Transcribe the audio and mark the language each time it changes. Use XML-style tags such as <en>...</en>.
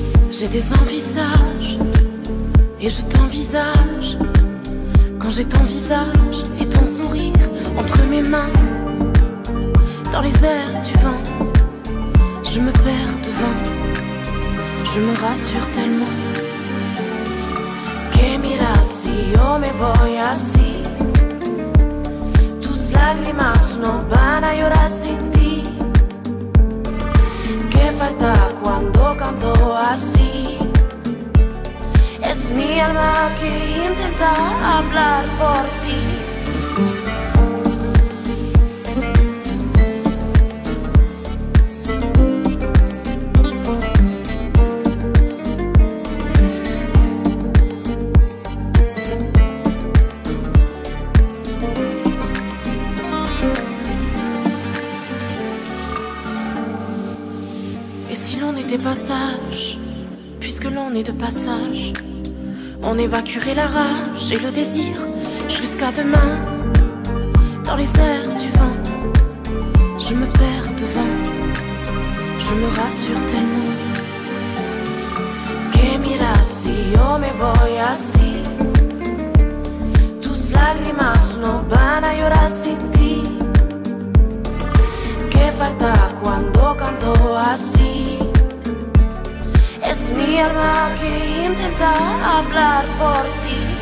<fr>J'ai des envisages, et je t'envisage. Quand j'ai ton visage et ton sourire entre mes mains, dans les airs du vent, je me perds devant, je me rassure tellement.</fr> <es>Que miras si yo me voy así? Tus lágrimas no van a llorar sin ti. Que falta cuando canto así? Es mi alma que intenta hablar por ti.</es> <fr>Et si l'on était pas sage, puisque l'on est de passage, on évacuerait la rage et le désir jusqu'à demain. Dans les airs du vent, je me perds devant, je me rassure tellement.</fr> <es>Que miras si yo me voy así? Tus lágrimas no van a llorar sin ti. Que falta cuando canto así? Es mi alma que intenta hablar por ti.</es>